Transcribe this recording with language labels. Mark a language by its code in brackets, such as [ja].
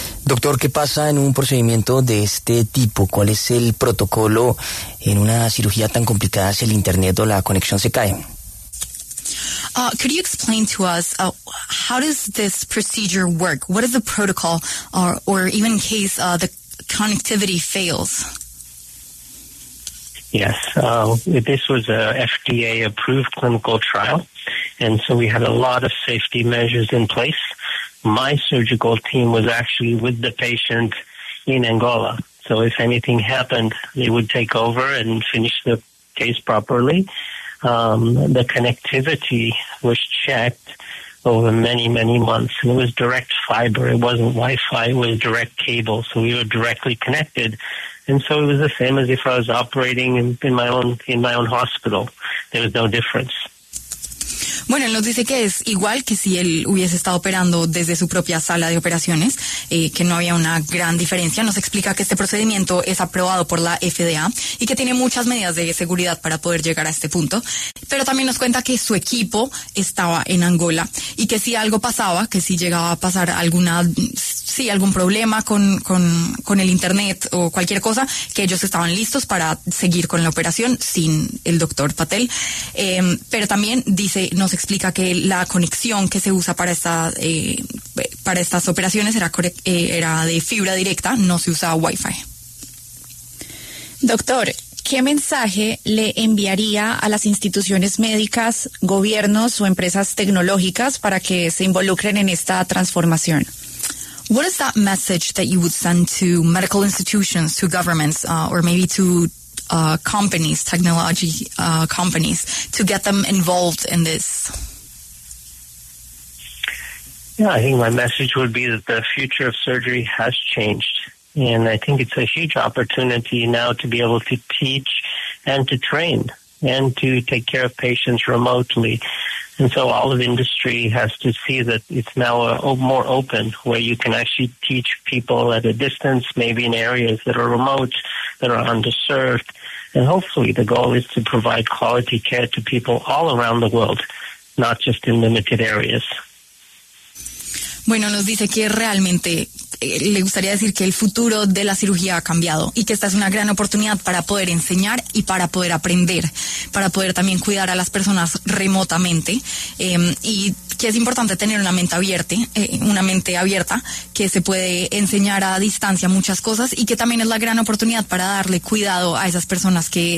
[es] Doctor, ¿qué pasa en un procedimiento de este tipo? ¿Cuál es el protocolo en una cirugía tan complicada si el internet o la conexión se cae? [en] Could you explain to us how does this procedure work? What is the protocol, or even in case the connectivity fails? Yes, this was a FDA-approved clinical trial, and so we had a lot of safety measures in place. My surgical team was actually with the patient in Angola, so if anything happened, they would take over and finish the case properly. The connectivity was checked over many, many months, and it was direct fiber. It wasn't Wi-Fi, it was direct cable, so we were directly connected. And so it was the same as if I was operating in my own hospital. There was no difference. [es] Bueno, él nos dice que es igual que si él hubiese estado operando desde su propia sala de operaciones, que no había una gran diferencia. Nos explica que este procedimiento es aprobado por la FDA y que tiene muchas medidas de seguridad para poder llegar a este punto. Pero también nos cuenta que su equipo estaba en Angola y que si algo pasaba, que si llegaba a pasar algún problema con el internet o cualquier cosa, que ellos estaban listos para seguir con la operación sin el doctor Patel. Pero también dice, nos explica que la conexión que se usa para estas operaciones era de fibra directa, no se usaba Wi-Fi. Doctor, ¿qué mensaje le enviaría a las instituciones médicas, gobiernos o empresas tecnológicas para que se involucren en esta transformación? [en] What is that message that you would send to medical institutions, to governments, or maybe to companies, technology companies, to get them involved in this? Yeah, I think my message would be that the future of surgery has changed. And I think it's a huge opportunity now to be able to teach and to train and to take care of patients remotely. And so all of the industry has to see that it's now more open, where you can actually teach people at a distance, maybe in areas that are remote, that are underserved. And hopefully the goal is to provide quality care to people all around the world, not just in limited areas. [es] Bueno, nos dice que realmente le gustaría decir que el futuro de la cirugía ha cambiado y que esta es una gran oportunidad para poder enseñar y para poder aprender, para poder también cuidar a las personas remotamente, y que es importante tener una mente abierta, que se puede enseñar a distancia muchas cosas y que también es la gran oportunidad para darle cuidado a esas personas